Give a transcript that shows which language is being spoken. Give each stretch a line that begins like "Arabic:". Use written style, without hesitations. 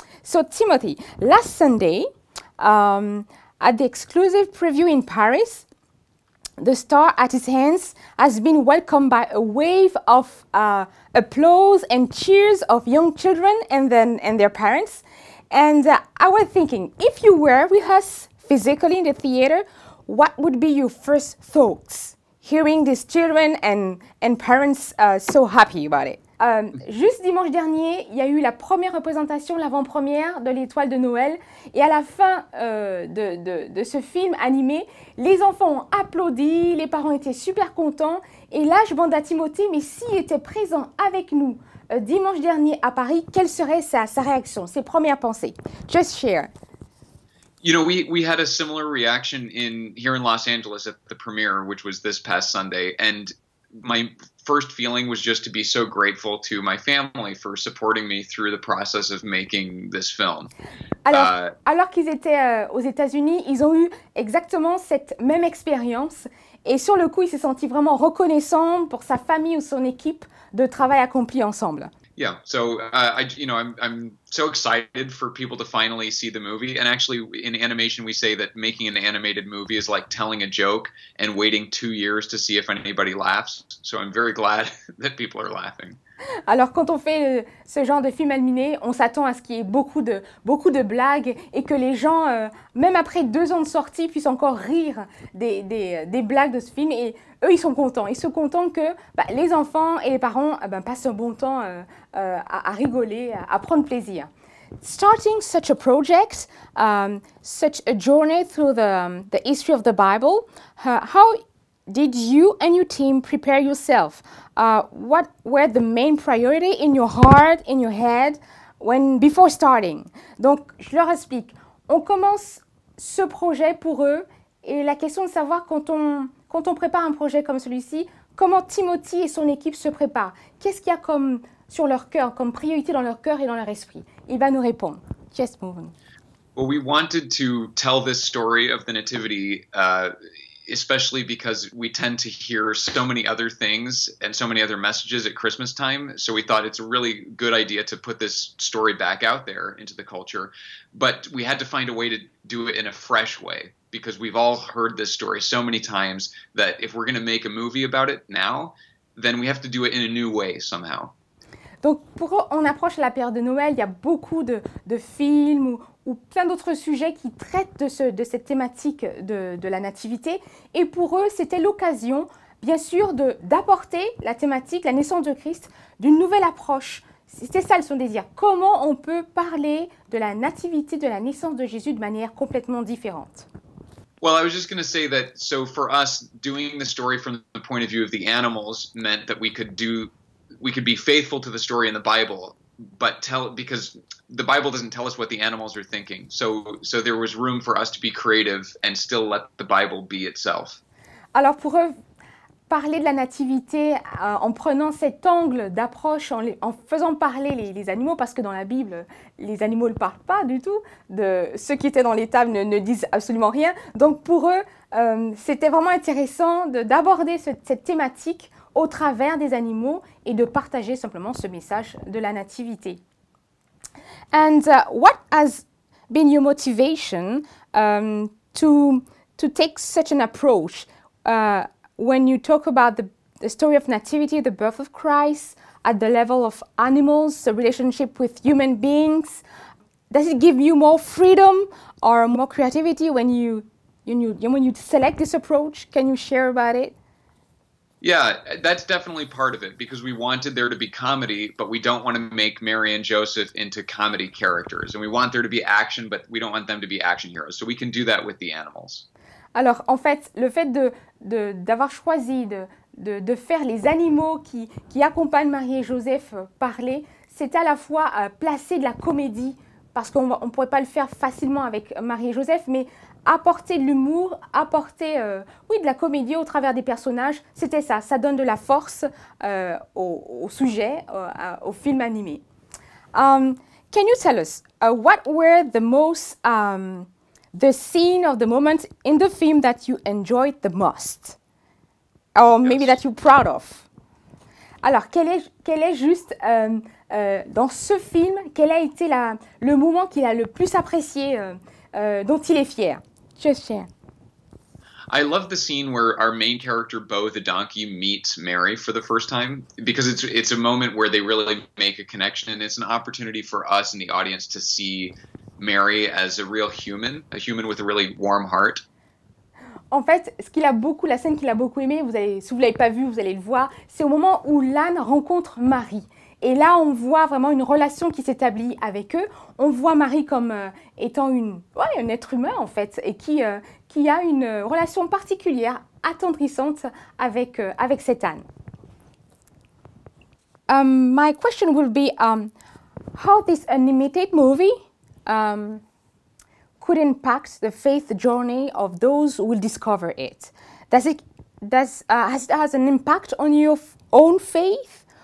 English: So, Timothy, last Sunday, at the exclusive preview in Paris, The Star at its hands has been welcomed by a wave of applause and cheers of young children and their parents. And I was thinking, if you were with us physically in the theater, what would be your first thoughts hearing these children and parents so happy about it?
French: Juste dimanche dernier, il y a eu la première représentation, l'avant-première de l'Étoile de Noël. Et à la fin de ce film animé, les enfants ont applaudi, les parents étaient super contents. Et là, je demande à Timothy, mais s'il était présent avec nous dimanche dernier à Paris, quelle serait sa réaction, ses premières pensées?
English: Just share. You know, we had a similar reaction in here in Los Angeles at the premiere, which was this past Sunday. And my first feeling was just to be so grateful to my family for supporting me through the process of making this film.
French: Alors qu'ils étaient aux États-Unis, ils ont eu exactement cette même expérience. Et sur le coup, ils se sentaient vraiment reconnaissants pour sa famille ou son équipe de travail accompli ensemble.
English: Yeah, so I'm so excited for people to finally see the movie. And actually, in animation, we say that making an animated movie is like telling a joke and waiting 2 years to see if anybody laughs. So I'm very glad that people are laughing.
French: Alors, quand on fait ce genre de film animé, on s'attend à ce qu'il y ait beaucoup de blagues et que les gens, même après 2 ans de sortie, puissent encore rire des blagues de ce film. Et eux, ils sont contents. Ils sont contents que les enfants et les parents passent un bon temps à rigoler, à prendre plaisir.
English: Starting such a project, such a journey through the history of the Bible, how did you and your team prepare yourself? What were the main priority in your heart, in your head, when before starting?
French: Donc, je leur explique. On commence ce projet pour eux et la question de savoir quand on prépare un projet comme celui-ci, comment Timothy et son équipe se préparent? Qu'est-ce qu'il y a comme sur leur cœur, comme priorité dans leur cœur et dans leur esprit? Il va nous répondre.
English: Just move on. Well, we wanted to tell this story of the nativity especially because we tend to hear so many other things and so many other messages at Christmas time. So we thought it's a really good idea to put this story back out there into the culture. But we had to find a way to do it in a fresh way because we've all heard this story so many times that if we're going to make a movie about it now, then we have to do it in a new way somehow.
French: Donc, pour on approche la période de Noël, il y a beaucoup de films ou plein d'autres sujets qui traitent de cette thématique de la nativité. Et pour eux, c'était l'occasion, bien sûr, d'apporter la thématique, la naissance de Christ, d'une nouvelle approche. C'était ça, son désir. Comment on peut parler de la nativité, de la naissance de Jésus de manière complètement différente?
English: Well, I was just going to say that, so for us, doing the story from the point of view of the animals meant that we could be faithful to the story in the Bible, but tell, because the Bible doesn't tell us what the animals are thinking. So there was room for us to be creative and still let the Bible be itself.
French: Alors pour eux, parler de la nativité en prenant cet angle d'approche, en faisant parler les animaux, parce que dans la Bible, les animaux ne parlent pas du tout, ceux qui étaient dans l'étable ne disent absolument rien. Donc pour eux, c'était vraiment intéressant d'aborder cette thématique au travers des animaux et de partager simplement ce message de la nativité.
English: And what has been your motivation to take such an approach when you talk about the story of nativity, the birth of Christ, at the level of animals, the relationship with human beings? Does it give you more freedom or more creativity when you select this approach? Can you share about it? Yeah, that's definitely part of it, because we wanted there to be comedy, but we don't want to make Mary and Joseph into comedy characters. And we want there to be action, but we don't want them to be action heroes. So we can do that with the animals.
French: Alors, en fait, le fait d'avoir choisi de faire les animaux qui accompagnent Marie et Joseph parler, c'est à la fois placer de la comédie, parce qu'on ne pourrait pas le faire facilement avec Marie et Joseph, mais apporter de l'humour, apporter de la comédie au travers des personnages, c'était ça. Ça donne de la force au sujet, au film animé.
English: Can you tell us what were the most the scene or the moment in the film that you enjoyed the most, or maybe yes, that you're proud of?
French: Alors, quel est juste dans ce film, quel a été le moment qu'il a le plus apprécié, dont il est fier?
English: I love the scene where our main character Beau the donkey meets Mary for the first time, because it's a moment where they really make a connection, and it's an opportunity for us in the audience to see Mary as a real human, a human with a really warm heart.
French: En fait, ce qu'il a beaucoup, la scène qu'il a beaucoup aimé, si vous l'avez pas vu, vous allez le voir, c'est au moment où l'âne rencontre Marie. Et là, on voit vraiment une relation qui s'établit avec eux. On voit Marie comme étant un être humain, en fait, et qui a une relation particulière, attendrissante, avec cet âne.
English: My question will be, how this animated movie could impact the faith journey of those who will discover it? Has it an impact on your own faith?